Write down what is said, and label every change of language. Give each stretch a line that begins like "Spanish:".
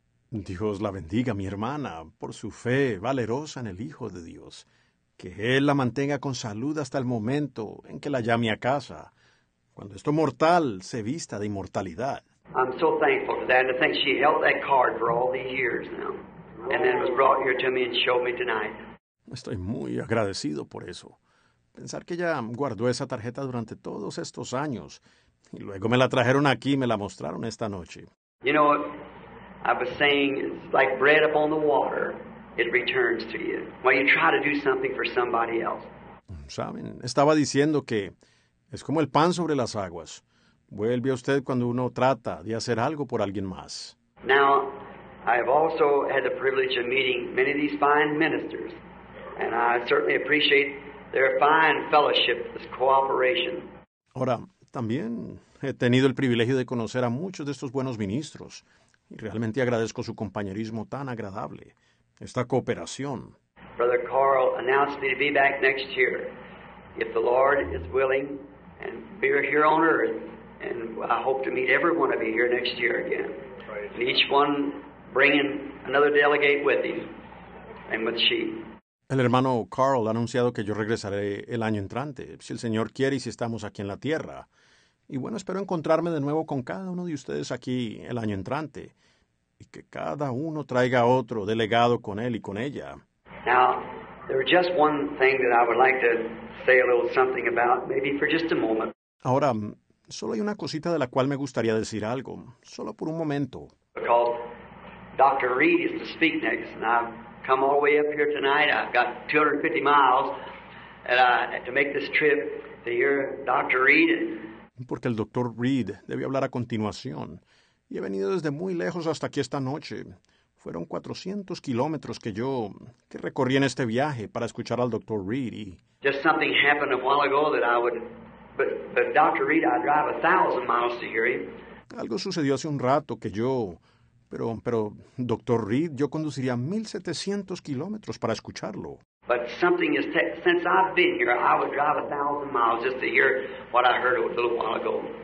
Spanish: Dios la bendiga, mi hermana, por su fe valerosa en el Hijo de Dios. Que Él la mantenga con salud hasta el momento en que la llame a casa, cuando esto mortal se vista de inmortalidad.
English: I'm so thankful for that, and I think she held that card for all these years now, and then was brought here to me and showed me tonight.
Spanish: Estoy muy agradecido por eso. Pensar que ella guardó esa tarjeta durante todos estos años, y luego me la trajeron aquí y me la mostraron esta noche.
English: You know, I was saying, it's like bread upon the water, it returns to you. While you try to do something for somebody else.
Spanish: Saben, estaba diciendo que es como el pan sobre las aguas. Vuelve a usted cuando uno trata de hacer algo por alguien más.
English: Now, I have also had the privilege of meeting many of these fine ministers, and I certainly appreciate their fine fellowship, this cooperation.
Spanish: Ahora, también he tenido el privilegio de conocer a muchos de estos buenos ministros, y realmente agradezco su compañerismo tan agradable, esta cooperación.
English: Brother Carl announced me to be back next year, if the Lord is willing, and be here on earth, and I hope to meet every one of you here next year again. And each one bringing another delegate with him and with she.
Spanish: El hermano Carl ha anunciado que yo regresaré el año entrante, si el Señor quiere y si estamos aquí en la tierra. Y bueno, espero encontrarme de nuevo con cada uno de ustedes aquí el año entrante y que cada uno traiga otro delegado con él y con ella.
English: Now, there's just one thing that I would like to say a little something about, maybe for just a moment.
Spanish: Ahora, solo hay una cosita de la cual me gustaría decir algo, solo por un momento.
English: Because Dr. Reed is to speak next, and I've come all the way up here tonight. I've got 250 miles to make this trip to hear Dr. Reed.
Spanish: Porque el Dr. Reed debe hablar a continuación. Y he venido desde muy lejos hasta aquí esta noche. Fueron 400 kilómetros que recorrí en este viaje para escuchar al Dr. Reed.
English: Just something happened a while ago that I would... But Dr. Reed, I drive 1,000 miles to hear him.
Spanish: Algo sucedió hace un rato que yo... Pero, Dr. Reed, yo conduciría 1,700 kilómetros para escucharlo.
English: But something is... Since I've been here, I would drive 1,000 miles just to hear what I heard a little while ago.